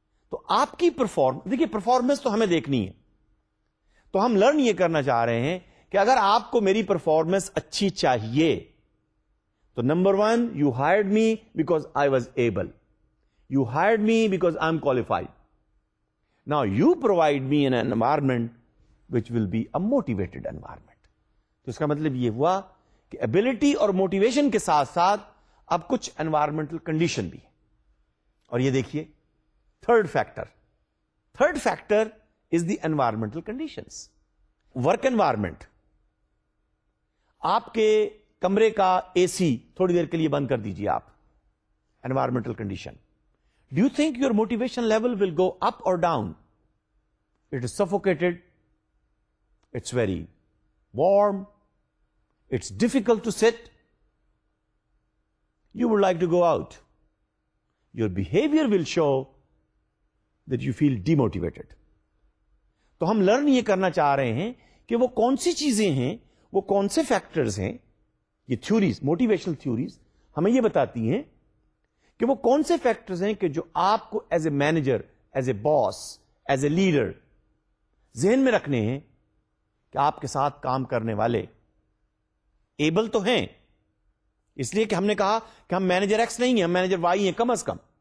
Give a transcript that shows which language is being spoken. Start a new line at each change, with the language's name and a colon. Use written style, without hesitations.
Urdu: تو آپ کی پرفارمنس, دیکھیے پرفارمنس تو ہمیں دیکھنی ہے, تو ہم لرن یہ کرنا چاہ رہے ہیں کہ اگر آپ کو میری پرفارمنس اچھی چاہیے تو
English: Number one, you hired me because I was able, you hired me because I am qualified. Now you provide me in an environment which will be a motivated environment.
Urdu: تو اس کا مطلب یہ ہوا کہ ability اور motivation کے ساتھ ساتھ اب کچھ environmental condition بھی ہے. اور یہ دیکھیے
English: third factor is the environmental conditions. Work environment,
Urdu: آپ کے کمرے کا AC تھوڑی دیر کے لیے بند کر دیجیے آپ,
English: environmental condition. Do you think your motivation level will go up or down? It is suffocated. It's very warm. It's difficult to sit. You would like to go out. Your behavior will show that you feel demotivated.
Urdu: تو ہم learn یہ کرنا چاہ رہے ہیں کہ وہ کون سی چیزیں ہیں, وہ کون سے فیکٹرز ہیں. یہ تھیوریز, موٹیویشنل تھیوریز ہمیں یہ بتاتی ہیں کہ وہ کون سے فیکٹرز ہیں کہ جو آپ کو
English: as a manager, as a boss, as a leader
Urdu: ذہن میں رکھنے ہیں کہ آپ کے ساتھ کام کرنے والے ایبل تو ہیں, اس لیے کہ ہم نے کہا کہ ہم مینیجر ایکس نہیں ہیں, ہم مینیجر وائی ہیں کم از کم.